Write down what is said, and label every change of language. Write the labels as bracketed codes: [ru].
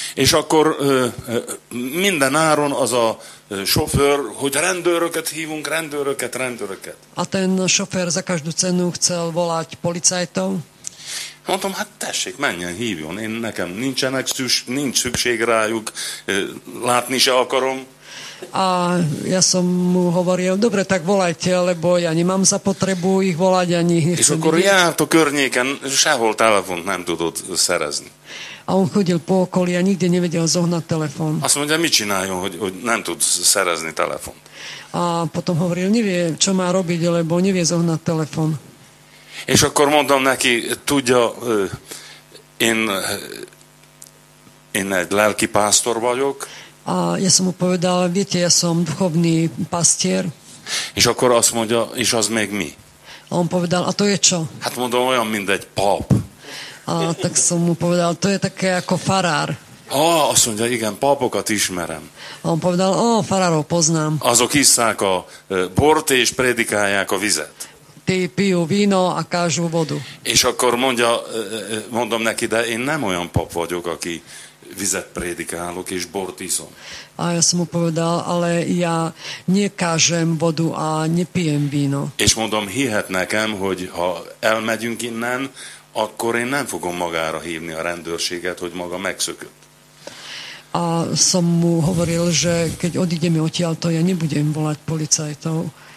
[hu] És akkor minden áron az a sofőr, hogy rendőröket hívunk, rendőröket. [sk] A ten sofér za každú cenu chcel volať policajtov. [hu] Mondtam, hát tessék, menjen, hívjon, én nekem nincs szükség rájuk, látni se akarom. [sk] A ja som mu hovoril, dobre, tak volajte, lebo ja nemám za potrebu ich volať ani. [hu] És akkor járt a környéken, sehol telefont nem tudod szerezni. [sk] A on chodil po okolí a nikde nevedel zohnať telefon. [hu] Azt mondja, mit csináljon, hogy nem tud szerezni telefont. [sk] A potom hovoril, nevie, čo má robiť, lebo nevie zohnať telefon. [hu] És akkor mondom neki, tudja, én egy lelki pásztor vagyok. [sk] A ja som mu povedal, viete, ja som duchovný pastier. [hu] És akkor azt mondja, és az még mi? [sk] A on povedal, a to je čo? [hu] Hát mondom, olyan, mint egy pap. [sk] A tak som mu povedal, to je také ako farár. [hu] Ó, azt mondja, igen, papokat ismerem. [sk] A on povedal, ó, farárov poznám. [hu] Azok isszák a bort és predikálják a vizet. [sk] Ty pijú víno a kážu vodu. [hu] És akkor mondom neki, de én nem olyan pap vagyok, aki vizet prédikálok és bort iszom. [sk] A ja som mu povedal, ale ja nekážem vodu a nepijem víno. [hu] És mondom, hihet nekem, hogy ha elmegyünk innen, akkor én nem fogom magára hívni a rendőrséget, hogy maga megszökött. [sk] A som mu hovoril, že keď odídeme odtiaľ, to ja nebudem volať policajtov.